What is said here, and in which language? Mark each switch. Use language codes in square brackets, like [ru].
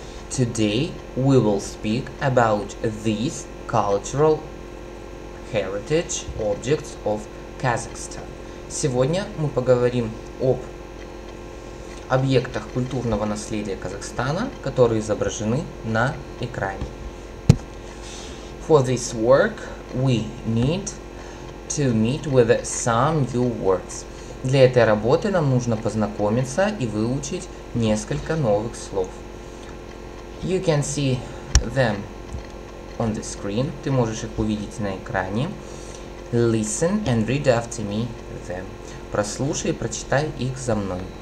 [en] Today we will speak about these cultural heritage objects of Kazakhstan. [ru] Сегодня мы поговорим об объектах культурного наследия Казахстана, которые изображены на экране. [en] For this work, we need to meet with some new words. [ru] Для этой работы нам нужно познакомиться и выучить несколько новых слов. [en] You can see them on the screen. [ru] Ты можешь их увидеть на экране. [en] Listen and read after me them. [ru] Прослушай и прочитай их за мной.